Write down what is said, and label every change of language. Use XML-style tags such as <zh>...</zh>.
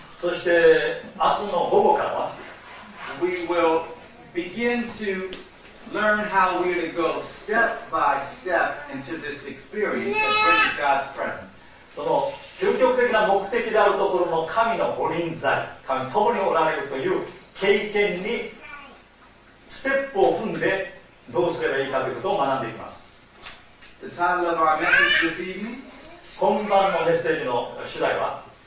<ja>そして明日の午後からは、</ja> <en>we will begin to learn how we are to go step by step into this experience of bringing God's presence.</en> <ja>その究極的な目的であるところの神の御臨在、神共におられるという経験にステップを踏んでどうすればいいかということを学んでいきます。</ja> <en>The title of our message this evening.</en> <ja>今晩のメッセージの主題は</ja>